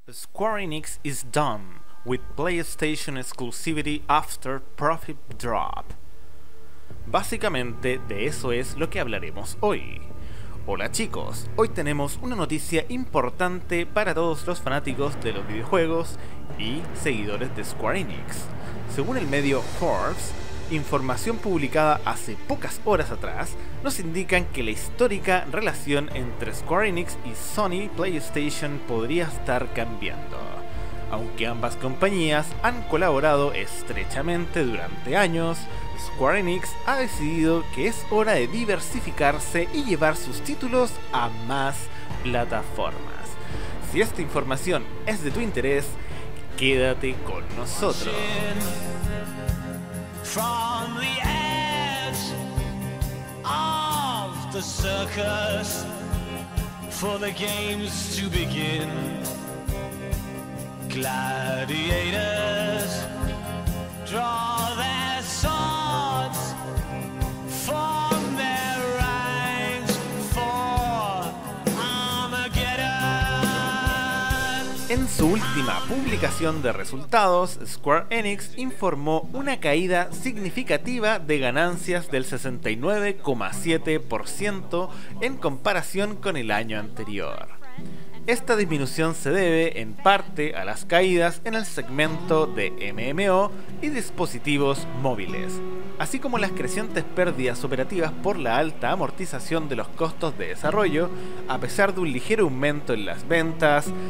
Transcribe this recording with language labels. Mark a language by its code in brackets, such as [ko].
[en] Square Enix is done with PlayStation exclusivity after profit drop. [es] Básicamente de eso es lo que hablaremos hoy. Hola chicos, hoy tenemos una noticia importante para todos los fanáticos de los videojuegos y seguidores de Square Enix. Según el medio Forbes, información publicada hace pocas horas atrás nos indica que la histórica relación entre Square Enix y Sony PlayStation podría estar cambiando. Aunque ambas compañías han colaborado estrechamente durante años, Square Enix ha decidido que es hora de diversificarse y llevar sus títulos a más plataformas. Si esta información es de tu interés, quédate con nosotros. [en] From the edge of the circus for the games to begin. Gladiators draw their swords from their ranks for Armageddon. [es] En su última publicación de resultados, Square Enix informó una caída significativa de ganancias del 69,7% en comparación con el año anterior. Esta disminución se debe, en parte, a las caídas en el segmento de MMO y dispositivos móviles, así como las crecientes pérdidas operativas por la alta amortización de los costos de desarrollo, a pesar de un ligero aumento en las ventas.